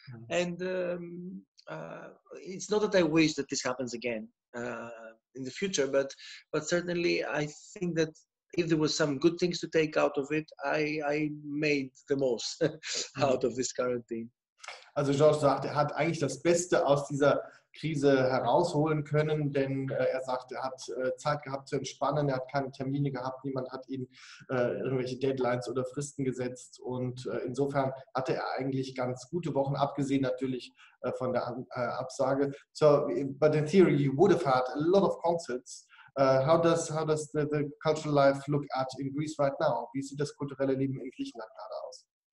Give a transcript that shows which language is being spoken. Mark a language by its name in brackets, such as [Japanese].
[English] And it's not that I wish that this happens again in the future, but certainly I think that if there was some good things to take out of it, I made the most out of this quarantine. [German] Also Georges sagt, er hat eigentlich das Beste aus dieser Krise herausholen können, denn er sagt, er hat Zeit gehabt zu entspannen, er hat keine Termine gehabt, niemand hat ihm irgendwelche Deadlines oder Fristen gesetzt und insofern hatte er eigentlich ganz gute Wochen, abgesehen natürlich von der Absage. [English] So, but in theory, you would have had a lot of concerts. How does the cultural life look at in Greece right now? [German] Wie sieht das kulturelle Leben in Griechenland gerade aus?